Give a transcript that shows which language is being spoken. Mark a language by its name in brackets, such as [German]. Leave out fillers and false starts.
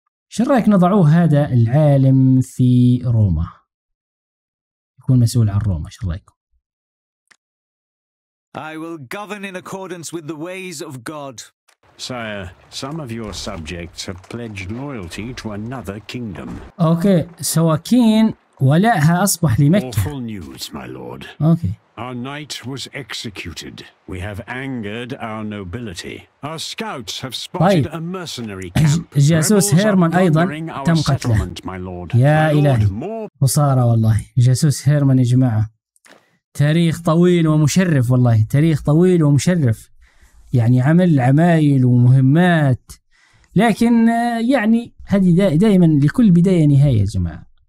[Arabic] شو رأيك نضعوه هذا العالم في روما؟ يكون مسؤول عن روما، شو رأيكم؟ [English] I will govern in accordance with the ways of God. Sire, some of your subjects have pledged loyalty to another kingdom. [Arabic] Okay, سواكين ولاءها أصبح لمكة. [English] Awful news, my lord. Okay. Our knight was executed. We have angered our nobility. Our scouts have spotted a mercenary camp. [Arabic] جاسوس هيرمان أيضا تم قتله. يا إلهي. وصار والله جاسوس هيرمان يا جماعة. تاريخ طويل ومشرف والله، تاريخ طويل ومشرف، يعني عمل عمايل ومهمات، لكن يعني هذه دائما لكل بداية نهاية يا جماعة.